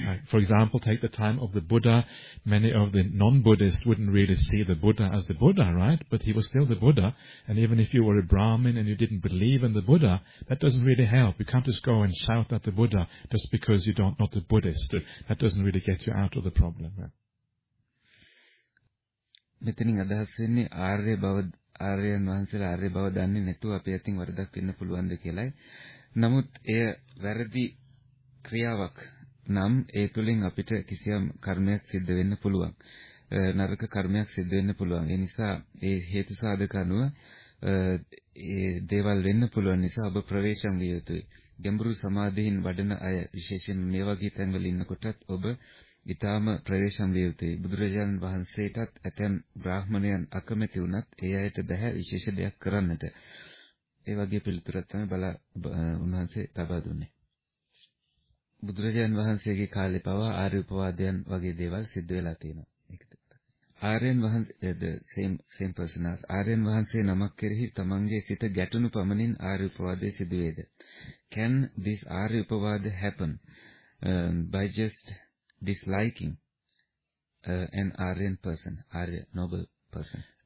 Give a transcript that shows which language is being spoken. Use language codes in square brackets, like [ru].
[en] For example, take the time of the Buddha. Many of the non-Buddhists wouldn't really see the Buddha as the Buddha, right? But he was still the Buddha. And even if you were a Brahmin and you didn't believe in the Buddha, that doesn't really help. You can't just go and shout at the Buddha just because you don't not a Buddhist. That doesn't really get you out of the problem. Metaning adhasini Arya bhavad. [si] ආර්යයන් වහන්සේලා ආර්ය බව දන්නේ නැතුව අපි අතින් වරදක් වෙන්න පුළුවන්ද කියලායි. නමුත් එය වැරදි ක්‍රියාවක් නම් ඒ තුලින් අපිට කිසියම් කර්මයක් සිද්ධ වෙන්න පුළුවන්. නරක කර්මයක් සිද්ධ වෙන්න පුළුවන්. ඒ නිසා ඒ හේතු සාධක අනුව ඒ දේවල් වෙන්න පුළුවන් නිසා ඔබ ප්‍රවේශම් විය යුතුයි. ගැඹුරු සමාධියෙන් වඩන අය විශේෂයෙන් මේ වගේ තැන්වල ඉන්නකොටත් ඔබ ඉතාම ප්‍රවේශම් විය යුතුයි. බුදුරජාණන් වහන්සේටත් ඇතැම් බ්‍රාහ්මණයන් අකමැති වුණත් ඒ අයට බැහැ විශේෂ දෙයක් කරන්නට. ඒ වගේ පිළිතුරක් තමයි බලා උන්වහන්සේ ලබා දුන්නේ. බුදුරජාණන් වහන්සේගේ කාලේ පවා ආර්ය උපවාදයන් වගේ දේවල් සිද්ධ වෙලා තියෙනවා. ආර්යයන් වහන්සේ [en] same person as [si] ආර්යයන් වහන්සේ නමක් කෙරෙහි තමන්ගේ සිත ගැටුණු පමණින් ආර්ය උපවාදයේ සිදුවේද? [en] Can this arya upavada happen by just disliking an Aryan person, Arya noble person?